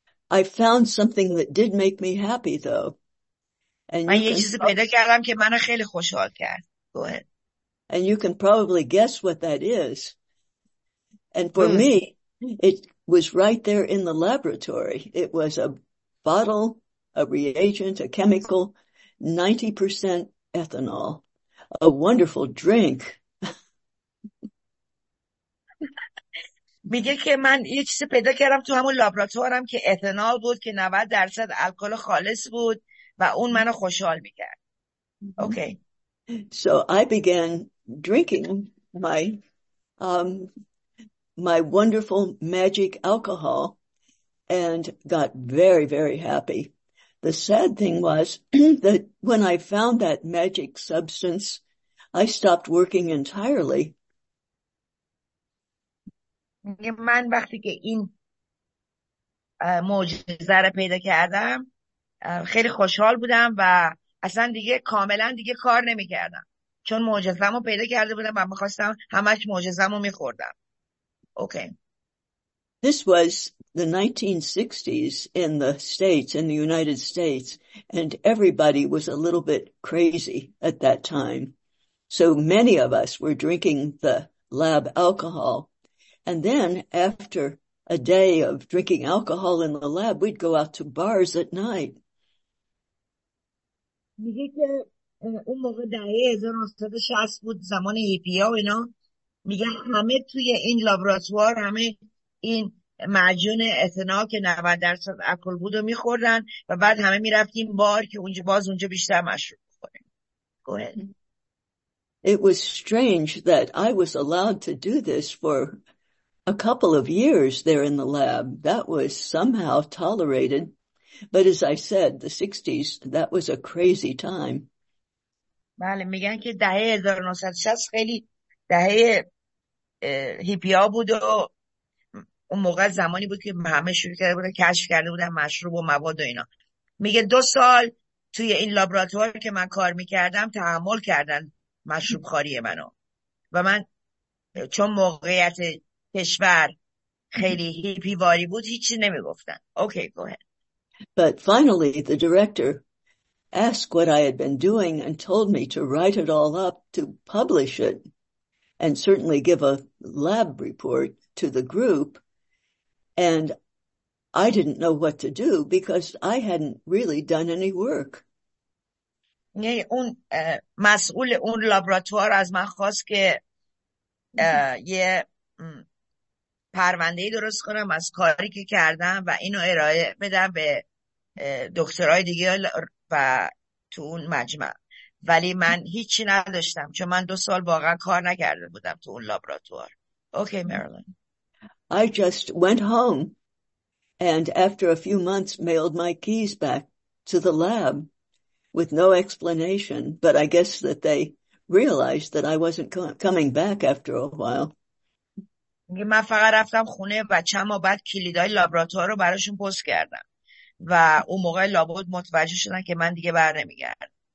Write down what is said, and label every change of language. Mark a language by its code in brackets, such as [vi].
[en] I found something that did make me happy, though. [fa] And من یه چیزی پیدا کردم که منو خیلی خوشحال کرد. [en] And you can probably guess what that is. And for me, it was right there in the laboratory. It was a bottle, a reagent, a chemical, 90% ethanol. A wonderful drink. [fa] میگه که من یه چیزی پیدا کردم تو همون لابراتوارم که اتنال بود که 90% الکل خالص بود و اون منو خوشحال میکرد. [en] Okay. So I began drinking my wonderful magic alcohol and got very, very happy. The sad thing was that when I found that magic substance, I stopped working entirely. [fa] من وقتی که این معجزه رو پیدا کردم خیلی خوشحال بودم و اصلا دیگه کاملا دیگه کار نمی کردم چون معجزه‌مو پیدا کرده بودم و می‌خواستم همش معجزه‌مو می‌خوردم. [en] Okay. This was the 1960s in the States, in the United States, and everybody was a little bit crazy at that time. So many of us were drinking the lab alcohol. And then, after a day of drinking alcohol in the lab, we'd go out to bars at night. [fa] میگه که اون موقع دهه 1960 بود زمان هیپیا و اینا. میگه همه توی این لابراتوار همه این معجون اتنال که 90% الکل بود و میخوردن و بعد همه میرفتیم بار که اونجا باز اونجا بیشتر مشروب بخوریم. [en] It was strange that I was allowed to do this for a couple of years there in the lab. That was somehow tolerated. But as I said, the 60s, that was a crazy time. [fa] بله, میگن که دهه 1960 خیلی دهه هیپیا بود و اون موقع زمانی بود که همه شروع کرده بودن کشف کرده بودن مشروب و مواد و اینا. میگه 2 سال توی این لابراتوار که من کار میکردم تحمل کردن مشروب خاری منو و من چون موقعیت کشور خیلی هیپی واری بود هیچی نمیگفتن. [en] Okay go ahead. But finally, the director asked what I had been doing and told me to write it all up to publish it and certainly give a lab report to the group. And I didn't know what to do because I hadn't really done any work. [fa] اون مسئول اون لابراتوار از من خواست که یه پرونده‌ای درست کنم از کاری که کردم و اینو ارائه بدم به دکترای دیگه و تو اون مجمع، ولی من هیچی نداشتم چون من 2 سال واقعا کار نکرده بودم تو اون لابراتوار. [en] Okay مریلن. I just went home and after a few months mailed my keys back to the lab with no explanation, but I guess that they realized that I wasn't coming back after a while. [fa] من فقط رفتم خونه و چند ماه بعد کلیدهای لابراتوار رو براشون پست کردم و اون موقع لابد متوجه شدن که من دیگه بر نمیگردم.